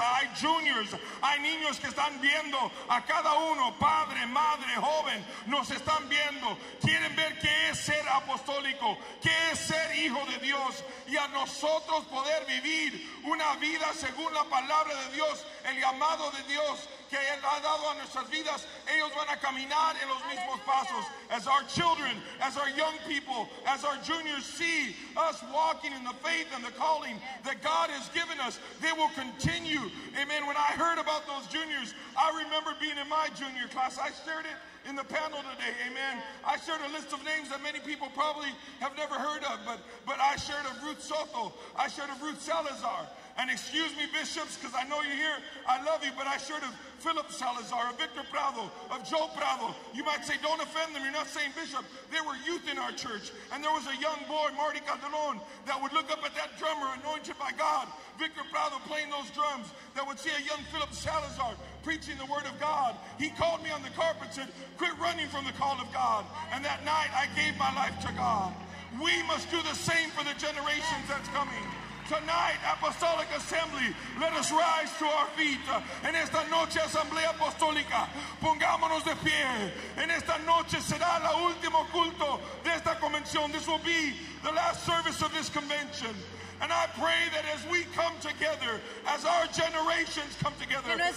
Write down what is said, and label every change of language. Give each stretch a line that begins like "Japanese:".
Spanish: Hay juniors, hay niños que están viendo a cada uno, padre, madre, joven, nos están viendo. Quieren ver qué es ser apostólico, qué es ser hijo de Dios, y a nosotros poder vivir una vida según la palabra de Dios, el llamado de Dios que Él ha dado a nuestras vidas. Ellos van a caminar en los mismos pasos.
English: As our children, as our young people, as our juniors see us walking in the faith and the calling that God has given us, they will continue. Amen. When I heard about those juniors, I remember being in my junior class. I shared it in the panel today. Amen. I shared a list of names that many people probably have never heard of, but I shared of Ruth Soto. I shared of Ruth Salazar. And excuse me, bishops, because I know you're here. I love you, but I should have Philip Salazar, of Victor Prado, of Joe Prado. You might say, don't offend them. You're not saying bishop. There were youth in our church, and there was a young boy, Marty Calderon, that would look up at that drummer anointed by God, Victor Prado, playing those drums, that would see a young Philip Salazar preaching the word of God. He called me on the carpet and said, quit running from the call of God. And that night, I gave my life to God. We must do the same for the generations that's coming. Tonight, Apostolic Assembly, let us rise to our feet.
Spanish: En esta noche, Asamblea Apostólica, pongámonos de pie. En esta noche será el último culto de esta convención.
English: This will be the last service of this convention. And I pray that as we come together, as our generations come together,